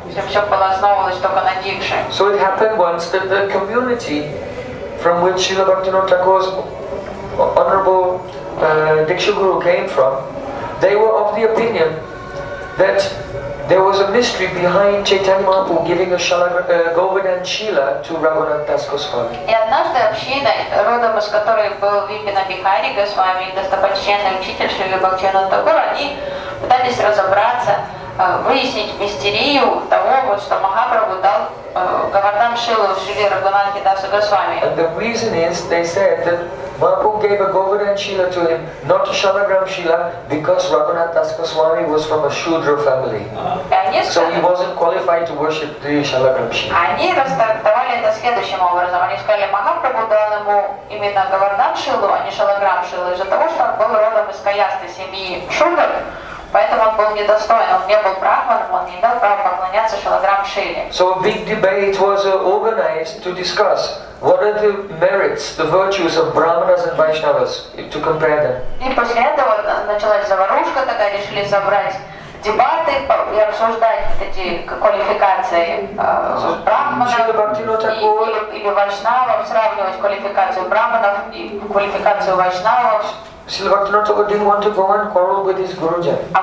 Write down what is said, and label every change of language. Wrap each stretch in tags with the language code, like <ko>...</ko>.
<en>So it happened once that the community from which Srila Bhaktivinoda Thakur's honorable Diksha Guru came from, they were of the opinion that there was a mystery behind Chaitanya Mahaprabhu giving a Govardhan Shila to Raghunath Das Goswami.</en> <ru>И однажды община, родом из которой был Випина Бихари Госвами, достопочтенный учитель Шрилы Бхактивинода Тхакур, они пытались разобраться, выяснить мистерию того, вот, что Махапрабху дал Говардхан Шилу Шриле Раганатхе Дасу Госвами.</ru> <en>And the reason is, they said that Mahaprabhu gave a Govardhan Shila to him, not a Shalagram Shila, because Raghunath Das Goswami was from a Shudra family. So he wasn't qualified to worship the Shalagram Shila.</en> <ru>Они расставали это следующим образом. Они сказали, Махапрабху дал ему именно Говардхан Шилу, а не Шалаграм Шилу, из-за того, что он был родом из каясты семьи Шудр, поэтому он был недостоин, он не был брахманом, он не имел права поклоняться Шалаграм Шиле.</ru> <en>So a big debate was organized to discuss. What are the merits, the virtues of Brahmanas and Vaishnavas, to compare them?</en> <ru>И после этого началась заварушка такая, решили собрать дебаты и обсуждать эти квалификации Брахманов или Вайшнавов, сравнивать квалификацию Брахманов и квалификацию Вайшнавов.</ru> <en>Srila Bhaktivinoda Thakur didn't want to go and quarrel with his Guruji.</en>